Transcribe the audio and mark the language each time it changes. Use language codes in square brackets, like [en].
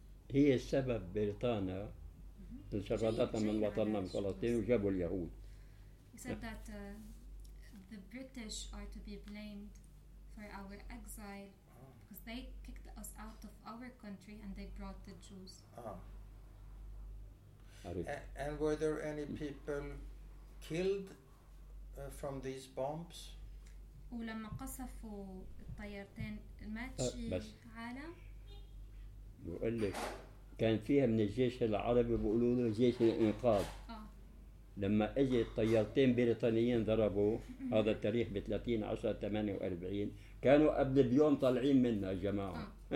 [ar] هي السبب بريطانيا انشردتها من وطننا من فلسطين وجابوا اليهود. [en] He said that the British are to be blamed for our exile because they kicked us out of our country and they brought the Jews. And were there any people killed from these bombs? [ar] ولما قصفوا الطيارتين ماتشي عالم. بقول لك كان فيها من الجيش العربي بيقولوا له جيش الإنقاذ. لما اجي الطيارتين بريطانيين ضربوا هذا التاريخ ب 30/10/48 كانوا قبل بيوم طالعين منا الجماعة.